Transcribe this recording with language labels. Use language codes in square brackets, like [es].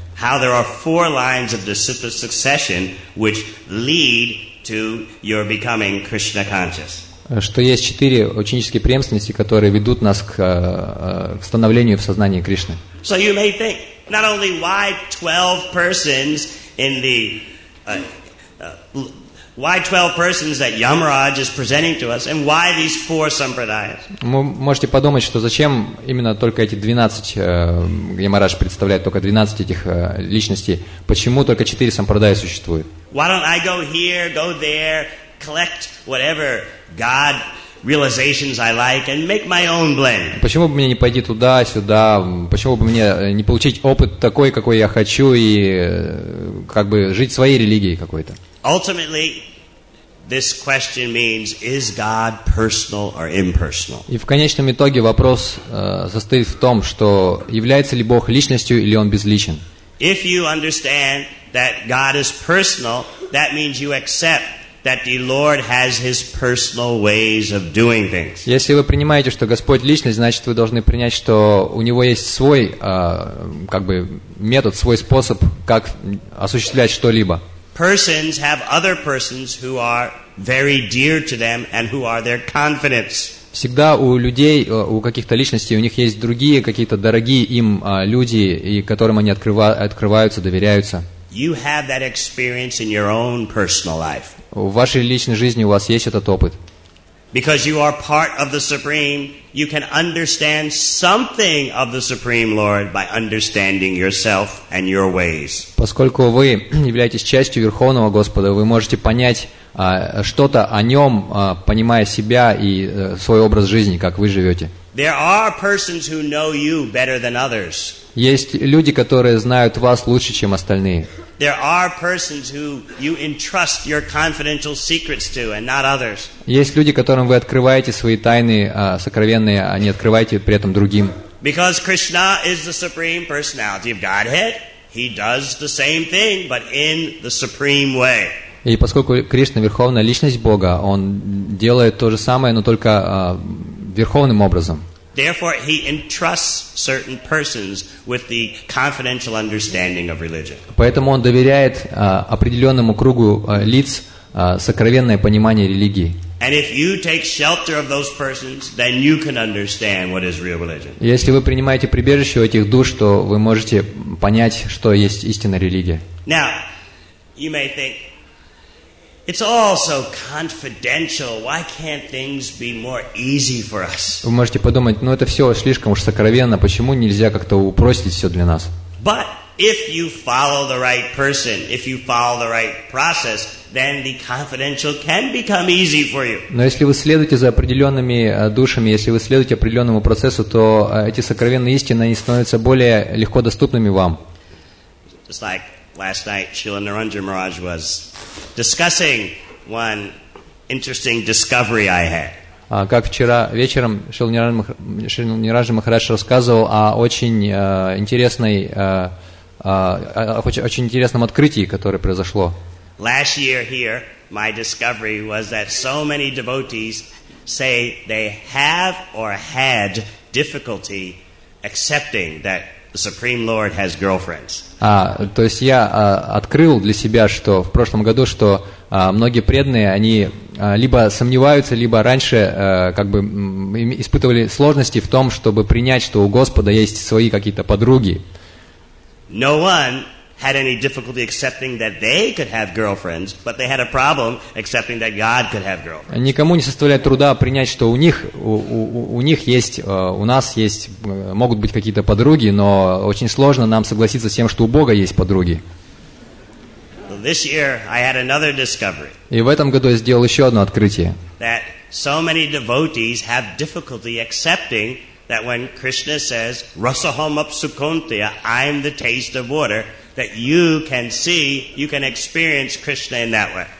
[en] How there are four lines of succession which lead to your becoming Krishna conscious. [ru] Что есть четыре ученические преемственности, которые ведут нас к становлению в сознании Кришны. [en] So you may think not only why 12 persons in the why 12 persons that Yamaraj is presenting to us, and why these four sampradayas? [ru] Вы можете подумать, что зачем именно только эти 12 Ямарадж представляет только 12 этих личностей? Почему только 4 сампрадая существует? [en] Why don't I go here, go there, collect whatever God realizations I like and make my own blend. [ru] Почему бы мне не пойти туда, сюда? Почему бы мне не получить опыт такой, какой я хочу, и как бы жить своей религией какой-то? [en] Ultimately, this question means, is God personal or impersonal? [ru] И в конечном итоге вопрос состоит в том, что является ли Бог личностью или Он безличен. [en] If you understand that God is personal, that means you accept that the Lord has His personal ways of doing things. [ru] Если вы принимаете, что Господь личность, значит, вы должны принять, что у Него есть свой, как бы, метод, свой способ, как осуществлять что-либо. [en] Persons have other persons who are very dear to them and who are their confidants. [ru] Всегда у людей, у каких-то личностей, у них есть другие какие-то дорогие им люди, и которым они открываются, доверяются. [en] You have that experience in your own personal life. [ru] В вашей личной жизни у вас есть этот опыт. [en] Because you are part of the Supreme, you can understand something of the Supreme Lord by understanding yourself and your ways. [ru] Поскольку вы являетесь частью Верховного Господа, вы можете понять что-то о Нем, понимая себя и свой образ жизни, как вы живете. [en] There are persons who know you better than others. [ru] Есть люди, которые знают вас лучше, чем остальные. [en] There are persons who you entrust your confidential secrets to, and not others. [ru] Есть люди, которым вы открываете свои тайны сокровенные, а не открываете при этом другим. [en] Because Krishna is the supreme personality of Godhead, he does the same thing, but in the supreme way. [ru] И поскольку Кришна верховная личность Бога, он делает то же самое, но только верховным образом. [en] Therefore, he entrusts certain persons with the confidential understanding of religion. [ru] Поэтому он доверяет определенному кругу лиц сокровенное понимание религии. [en] And if you take shelter of those persons, then you can understand what is real religion. [ru] Если вы принимаете прибежище у этих душ, то вы можете понять, что есть истинная религия. [en] Now, you may think, it's all so confidential. Why can't things be more easy for us? [ru] Вы можете подумать, ну это все слишком уж сокровенно. Почему нельзя как-то упростить все для нас? [en] But if you follow the right person, if you follow the right process, then the confidential can become easy for you. [ru] Но если вы следуете за определенными душами, если вы следуете определенному процессу, то эти сокровенные истины, они становятся более легко доступными вам. [en] Just like last night, Srila Naranja Maharaj was discussing one interesting discovery I had. [ru] Как вчера вечером Шрила Нираджа Махарадж рассказывал о очень интересном открытии, которое произошло. [en] Last year here, my discovery was that so many devotees say they have or had difficulty accepting that the Supreme Lord has girlfriends. [ru] То есть я открыл для себя, что в прошлом году, что многие преданные, они либо сомневаются, либо раньше как бы испытывали сложности в том, чтобы принять, что у Господа есть свои какие-то подруги. [en] No one had any difficulty accepting that they could have girlfriends, but they had a problem accepting that God could have girlfriends. [ru] Никому не составляет труда принять, что у нас есть могут быть какие-то подруги, но очень сложно нам согласиться с тем, что у Бога есть подруги. [en] Well, this year I had another discovery. [ru] И в этом году я сделал еще одно открытие. [en] That so many devotees have difficulty accepting that when Krishna says [sa] rasaham apsukuntya, [en] I'm the taste of water, that you can see, you can experience Krishna in that way.